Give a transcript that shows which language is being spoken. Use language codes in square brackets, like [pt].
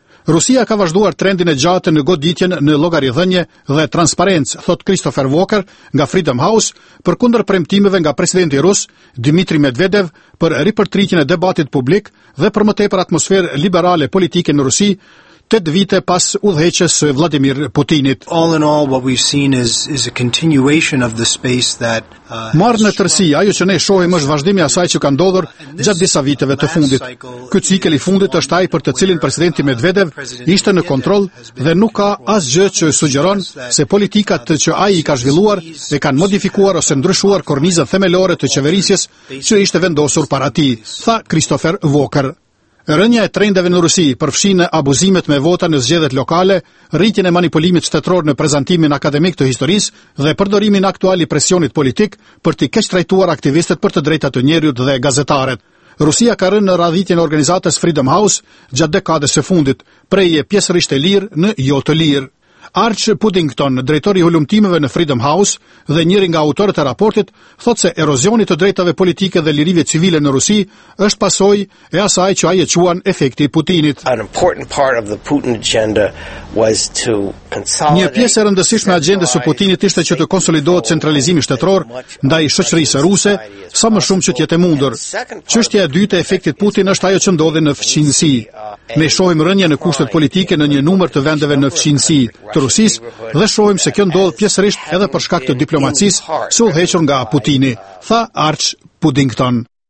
[sq] Rusia ka vazhduar trendin e gjatë në goditjen në llogaridhënie dhe transparencë, thot Christopher Walker nga Freedom House, përkundër premtimeve nga presidenti rus Dmitri Medvedev për ripërtritjen e debatit publik dhe për më tepër atmosferë liberale politike në Rusi. 8 vite pas udhëheqjes së Vladimir Putinit. [en] All in all, what we've seen is a continuation of the space that [sq] marrë në tërsi, ajo që ne shohim është vazhdimi asaj që ka ndodhur gjatë disa viteve të fundit. Ky cikël i fundit është ai për të cilin presidenti Medvedev ishte në kontroll dhe nuk ka asgjë që sugjeron se politikat që ai i ka zhvilluar e kanë modifikuar ose ndryshuar kornizën themelore të qeverisjes që ishte vendosur para tij, tha Christopher Walker. Rënja e trendeve në Rusi përfshin abuzimet me vota në zgjedhjet lokale, rritjen e manipulimit shtetëror në prezantimin akademik të historisë dhe përdorimin aktual i presionit politik për të keqtrajtuar aktivistët për të drejtat të njerëzit dhe gazetarët. Rusia ka rënë në radhitjen e organizatës Freedom House gjatë dekadës së fundit, prej pjesërisht e lirë në jo të lirë. Arch Puddington, drejtori i hulumtimeve në Freedom House dhe njëri nga autorët e raportit, thotë se erozioni të drejtave politike dhe lirive civile në Rusi është pasojë e asaj që ai e quan efekti i Putinit. [en] An important part of the Putin agenda was to consolidate. [sq] Një pjesë e rëndësishme e agjendës së Putinit ishte që të konsolidohet centralizimi shtetëror ndaj shoqërisë ruse sa më shumë që të jetë mundur. Çështja e dytë e efektit Putin është ajo që ndodhi në fqinësi. Ne shohim rënje në kushtet politike në një numër të vendeve në fqinësi të Rusis dhe shohim se kjo ndodh pjesërisht edhe për shkak të diplomacisë së udhëhequr nga Putini, tha Arch Puddington.